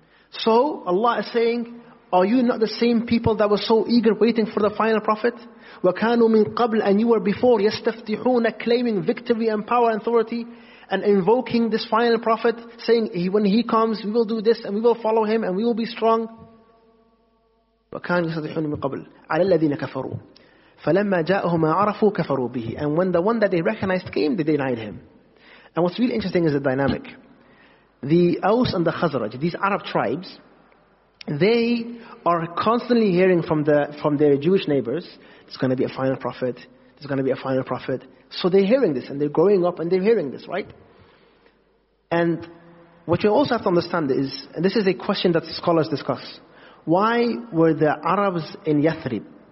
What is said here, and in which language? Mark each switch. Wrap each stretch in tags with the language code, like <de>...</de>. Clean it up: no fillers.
<en>So Allah is saying, are you not the same people that were so eager waiting for the final prophet? وَكَانُوا مِنْ قَبْلٍ And you were before, يَسْتَفْتِحُونَ Claiming victory and power and authority, and invoking this final prophet, saying, when he comes, we will do this, and we will follow him, and we will be strong.</en> <ar>وَكَانُوا يَسْتَفْتِحُونَ مِنْ قَبْلٍ عَلَى الَّذِينَ كَفَرُوا فَلَمَّا جَاءُهُمَا عَرَفُوا كَفَرُوا بِهِ And when the one that they recognized came, they denied him.</ar> <en>And what's really interesting is the dynamic. The Aus and the Khazraj, these Arab tribes, they are constantly hearing from their Jewish neighbors, there's going to be a final prophet, there's going to be a final prophet. So they're hearing this, and they're growing up, and they're hearing this, right? And what you also have to understand is, and this is a question that scholars discuss, why were the Arabs in Yathrib?</en>